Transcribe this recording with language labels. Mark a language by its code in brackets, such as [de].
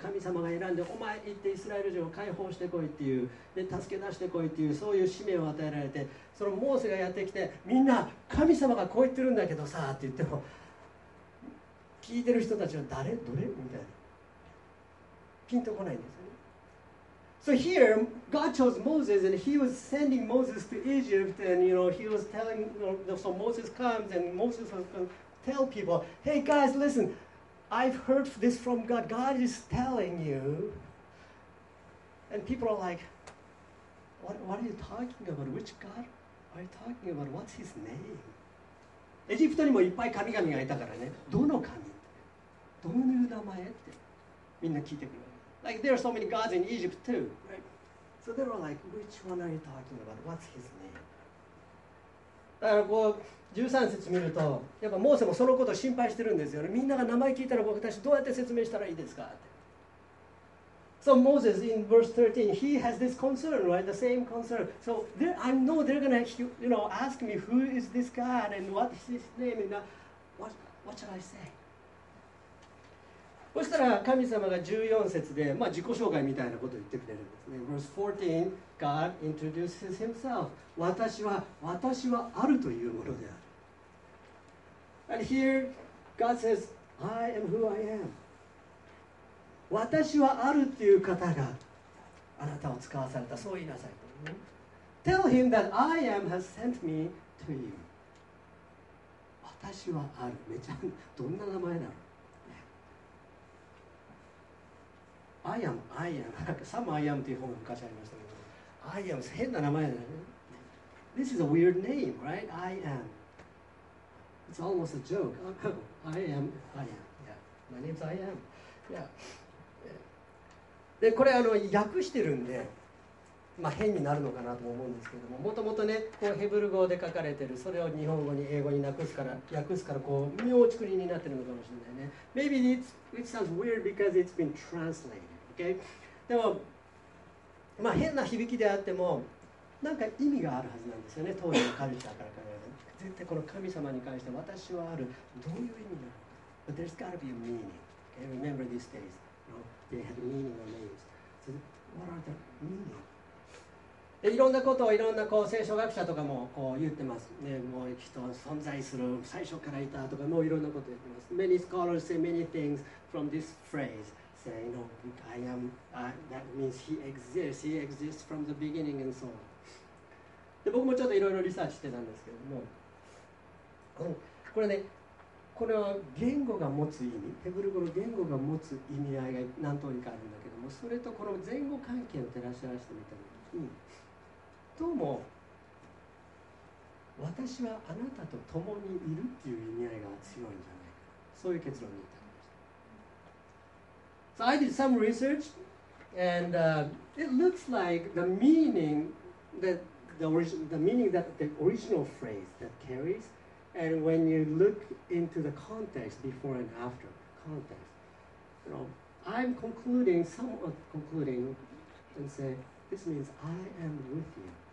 [ja] 神様が選んで、お前行ってイスラエル人を解放してこいっていう、で助け出してこいっていう、そういう使命を与えられて、そのモーセがやってきて、みんな神様がこう言ってるんだけどさって言っても、聞いてる人たちは誰どれみたいな、ピンとこないんですよね。 [en] So here, God chose Moses, and he was sending Moses to Egypt, and you know, he was telling, you know, so Moses comes, and Moses was going to tell people, hey guys, listen, I've heard this from God, God is telling you. And people are like, what are you talking about? Which God are you talking about? What's his name? [ja] エジプトにもいっぱい神々がいたからね、どの神、どういう名前ってみんな聞いてくる。 [en] Like there are so many gods in Egypt too, right? So they were like, which one are you talking about? What's his name? [ja] だからこう13節見るとやっぱモーセもそのことを心配してるんですよね。みんなが名前聞いたら僕たちどうやって説明したらいいですかって。 [en] So Moses in verse 13, he has this concern, right? The same concern. So there, I know they're gonna, you know, ask me who is this God and what is his name and what shall I say? [ja] そしたら神様が14節で、まあ、自己紹介みたいなことを言ってくれるんですね。 [en] Verse 14, God introduces himself. [ja] 私はあるというものである。 [en] And here, God says, I am who I am. [ja] 私はあるという方があなたを使わされた。そう言いなさい。 [en] Tell him that I am has sent me to you. [ja] 私はある。めちゃどんな名前なの? [en] I am, I am. Some I am [ja] という本が昔ありましたけど、I am 変な名前だよね。 [en] This is a weird name, right? I am. It's almost a joke. I am, I am. Yeah. My name's I am. Yeah. [ja] で、これ訳してるんで、まあ、変になるのかなと思うんですけども、もともとね、こうヘブル語で書かれてる、それを日本語に英語に訳すから、こう妙竹林になってるのかもしれないね。 [en] Maybe it sounds weird because it's been translated. Okay? [ja] でも、まあ、変な響きであっても、なんか意味があるはずなんですよね、当時のカルチャーから考えると。絶対この神様に関して私はある。どういう意味なの [en] ?But there's gotta be a meaning. Okay? Remember these days. You know? They had meaning or names. So, what are the meaning? [ja] いろんなことをいろんなこう聖書学者とかもこう言ってます、ね、もう人存在する最初からいたとかもういろんなこと言ってます。 [en] Many scholars say many things from this phrase say, you know, I am, that means he exists from the beginning and so on. [ja] で僕もちょっといろいろリサーチしてたんですけども、これね、これは言語が持つ意味、ヘブル語の言語が持つ意味合いが何通りかあるんだけども、それとこの前後関係を照らし合わせてみたら、どうも私はあなたと共にいるっていう意味合いが強いんじゃないか、そういう結論に至りました。 [en] So I did some research and it looks like the meaning that the original phrase that carries and when you look into the context before and after context, you know, I'm concluding, somewhat concluding and say this means I am with you.